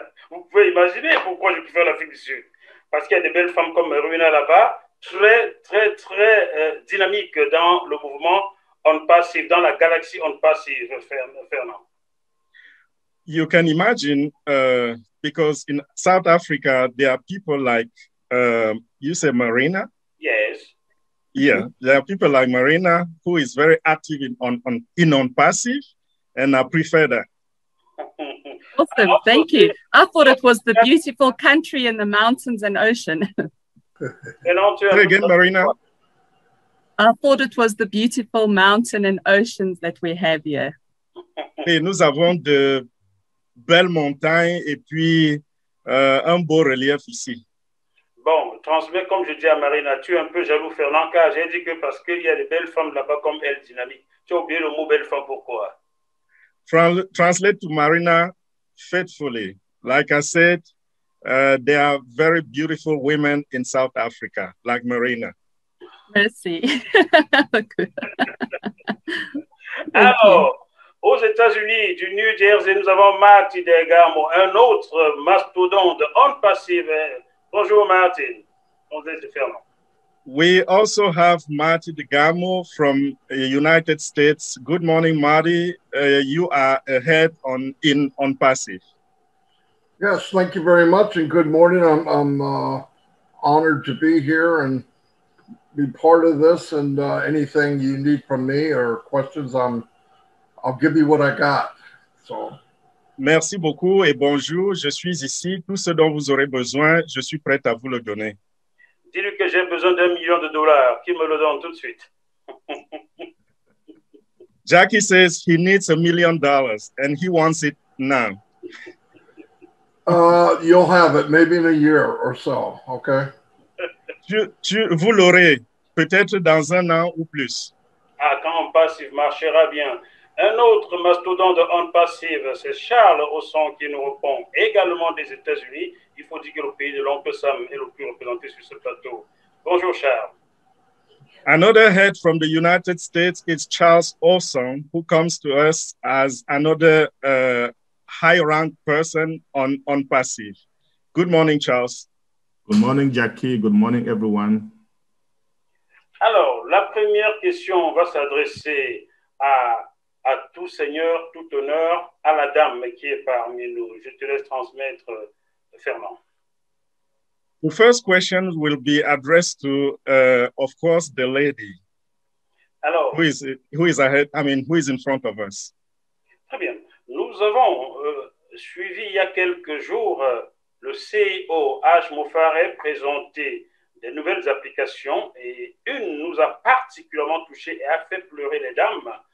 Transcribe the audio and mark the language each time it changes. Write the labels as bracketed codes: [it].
[fr] Vous pouvez imaginer pourquoi je préfère l'Afrique du Sud. Parce qu'il y a des belles femmes comme Rumina là-bas, très, très, très dynamiques dans le mouvement Onde Passive, dans la galaxie Onde Passive, Fernand. [en] You can imagine, because in South Africa there are people like, you say Marina? Yes. Yeah, there are people like Marina who is very active in on passive, and I prefer that. Awesome, thank you. I thought it was the beautiful country and the mountains and ocean. Say again, Marina. I thought it was the beautiful mountain and oceans that we have here. [fr] Et nous avons de belles montagnes et puis un beau relief ici. Bon, transmets comme je dis à Marina, tu es un peu jaloux, Fernand, car j'ai dit que parce qu'il y a des belles femmes là-bas comme elle, dynamique. Tu as oublié le mot belle femme, pourquoi? [en] Translate to Marina faithfully. Like I said, there are very beautiful women in South Africa, like Marina. [fr] Merci. [en] Thank you. [fr] Alors, aux États-Unis, du New Jersey, nous avons Marty d'Egamo, un autre mastodonte de Onde Passive. Bonjour, Martin. On est différent. [en] We also have Marty DeGamo from the United States. Good morning, Marty. You are ahead on in on passive. Yes, thank you very much, and good morning. I'm honored to be here and be part of this. And anything you need from me or questions, I'll give you what I got. So. [fr] Merci beaucoup et bonjour. Je suis ici. Tout ce dont vous aurez besoin, je suis prêt à vous le donner. Dis-lui que j'ai besoin d'1 million de dollars. Qu'il me le donne tout de suite. [en] Jackie says he needs $1 million and he wants it now. You'll have it maybe in a year or so, okay? [fr] Vous l'aurez peut-être dans un an ou plus. Ah, quand on passe, il marchera bien. Un autre mastodonte de Onde Passive, c'est Charles Rosson qui nous répond, également des États-Unis. Il faut dire que le pays de l'oncle Sam est le plus représenté sur ce plateau. Bonjour Charles. [en] Another head from the United States is Charles Olson, who comes to us as another high-ranked person on passive. Good morning, Charles. Good morning, Jackie. Good morning, everyone. [fr] Alors, la première question va s'adresser à tout seigneur, tout honneur, à la dame qui est parmi nous. Je te laisse transmettre, Fernand. [en] The first question will be addressed to, of course, the lady [fr] Alors, [en] who is ahead, I mean, who is in front of us. [fr] très bien. Nous avons suivi il y a quelques jours le CEO Ash Mufare présenter des nouvelles applications et une nous a particulièrement touchés et a fait pleurer les dames.